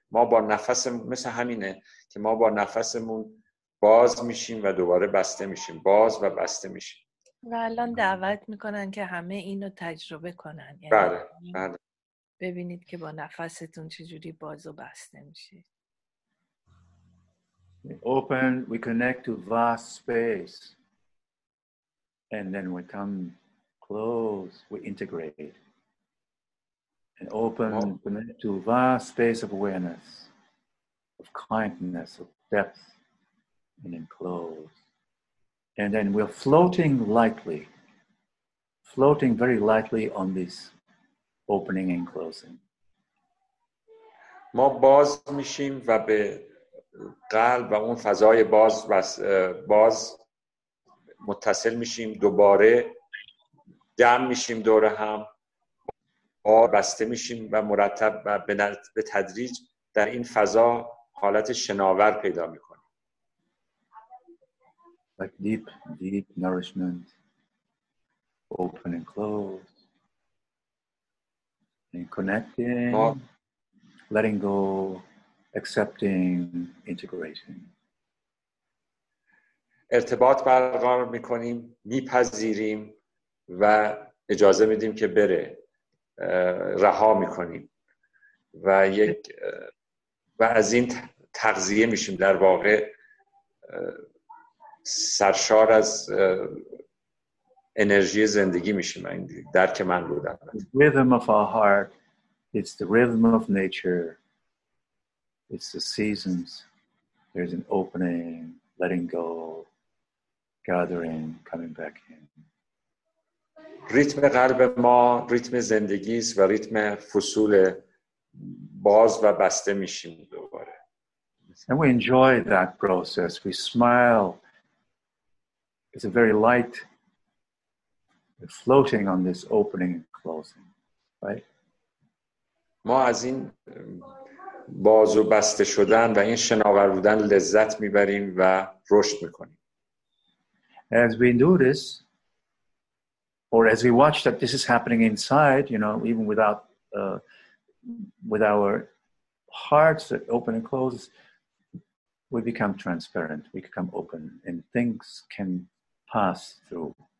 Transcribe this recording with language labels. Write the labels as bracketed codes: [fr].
[fa] ما با نفس مثل همینه که ما با نفسمون باز میشیم و دوباره بسته میشیم، باز و بسته میشیم. و الان دعوت میکنن که همه اینو تجربه کنن. یعنی بله، بله. ببینید که با نفستون چجوری باز و بسته میشه. [en] We open, we connect to vast space, and then we come close, we integrate, and open, connect to vast space of awareness, of kindness, of depth, and then close. And then we're floating very lightly on this opening and closing. [fa] ما باز میشیم و به قلب و اون فضای باز باز متصل میشیم، دوباره جمع میشیم دور هم، بسته میشیم و مرتب و به تدریج در این فضا حالت شناور پیدا میکنیم. [en] Like deep, deep nourishment, open and close, and connecting, letting go. Accepting, integrating. [fa] ارتباط برقرار میکنیم، میپذیریم و اجازه میدیم که بره، رها میکنیم و یک و از این تغذیه میشیم، در واقع سرشار از انرژی زندگی میشیم. درک من بودم. [en] The rhythm of our heart, it's the rhythm of nature. It's the seasons. There's an opening, letting go, gathering, coming back in. [fa] ریتم قلب ما ریتم زندگی است و ریتم فصول، باز و بسته میشیم دوباره. [en] And we enjoy that process. We smile. It's a very light. We're floating on this opening and closing, right? [fa] ما از این باز و بسته شدن و این شناور بودن لذت میبریم و رشد میکنیم. [en] As we do this, or as we watch that this is happening inside, you know, even without with our hearts that open and close, we become transparent. We become open, and things can pass through.